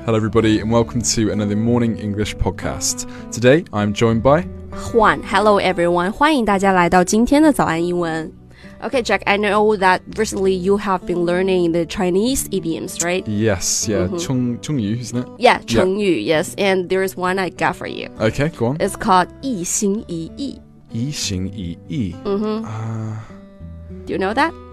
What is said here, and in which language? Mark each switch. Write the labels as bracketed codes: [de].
[en] Hello everybody and welcome to another Morning English podcast. Today I'm joined by Juan. Hello everyone. [zh] 欢迎大家来到今天的早安英文。 [en] Okay, Jack, I know that recently you have been learning the Chinese idioms, right? Yes, yeah. Mm-hmm. 成语, isn't it? Yeah, 成语, yes. And there is one I got for you. Okay, go on. It's called [zh] 一心一意。一心一意。 [en] Do you know that?